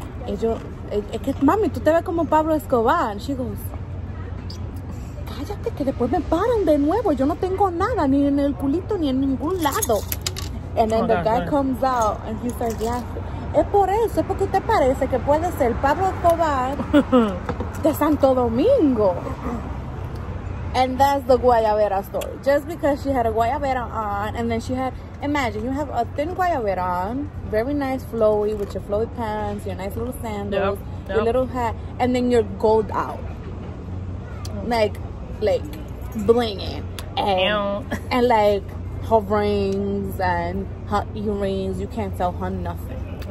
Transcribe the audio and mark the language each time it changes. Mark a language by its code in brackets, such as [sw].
[es] Es que, mami, tú te ves como Pablo Escobar. [en] And she goes, [es] cállate que después me paran de nuevo. Yo no tengo nada, ni en el culito, ni en ningún lado. [en] And then the guy comes out and he starts laughing. [es] Es por eso, es porque te parece que puede ser Pablo Escobar de Santo Domingo. [en] And that's the guayabera story. Just because she had a guayabera on, and then she had, imagine, you have a thin guayabera on, very nice flowy, with your flowy pants, your nice little sandals, your little hat, and then you're gold out. Like blinging and like her rings and her earrings, you can't tell her nothing.